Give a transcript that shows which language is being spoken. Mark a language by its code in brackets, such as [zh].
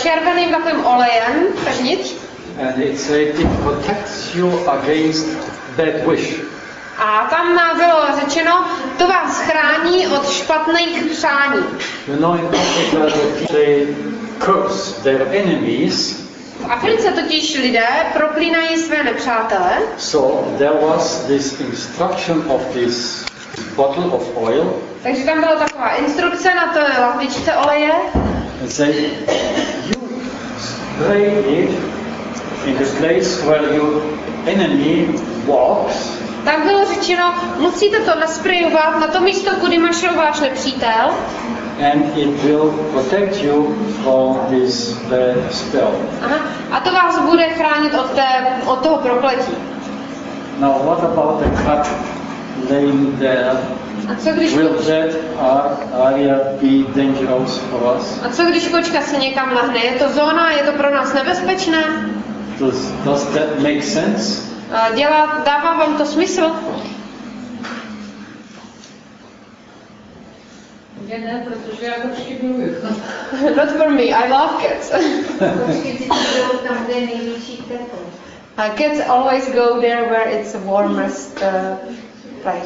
[cs] červeným takovým olejem, pevnitř. [en] And it says it protects you against bad wish. [cs] A tam nám bylo řečeno, to vás chrání od špatných přání. [en] You know, in Africa, they curse their enemies. [cs] V Africe totiž lidé proklínají své nepřátele. [en] So there was this instruction of this bottle of oil. [cs] Takže tam byla taková instrukce na to lahvičce oleje. [en] And say, you spray it in the place where your enemy walks. [cs] Tak bylo řečeno, musíte to nasprejovat na to místo, kudy mašel váš nepřítel. [en] And it will protect you from this bad spell. [cs] Aha. A to vás bude chránit od té, od toho prokletí. [en] Now what about the cat laying there? [cs] A co když [en] will that area be dangerous for us? [cs] A co když kočka se někam lehne? Je to zóna, je to pro nás nebezpečné? [en] Does that make sense? [cs] Dává vám to smysl? Je ne, protože já kočky miluju. [en] Not for me, I love cats. [cs] Kočky vždy jdou tam, kde je nejmenší teplo. [en] Cats always go there where it's warmest place.